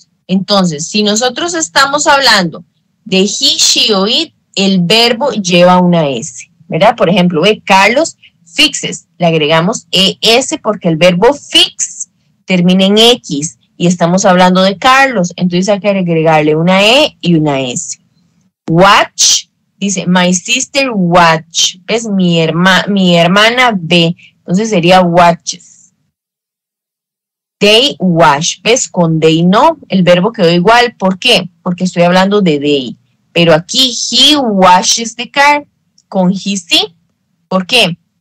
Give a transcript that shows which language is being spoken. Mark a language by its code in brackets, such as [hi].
[es] Entonces, si nosotros estamos hablando de he, she o it, el verbo lleva una S, ¿verdad? Por ejemplo, [en] Carlos fixes. [es] Le agregamos es porque el verbo fix termina en x y estamos hablando de Carlos. Entonces hay que agregarle una e y una s. [en] Watch, dice my sister watch. [es] Es mi hermana ve. Entonces sería watches. [en] They wash, [es] ¿ves? Con they no, el verbo quedó igual. ¿Por qué? Porque estoy hablando de they. Pero aquí, [en] he washes the car, [es] con he sí. ¿Por qué?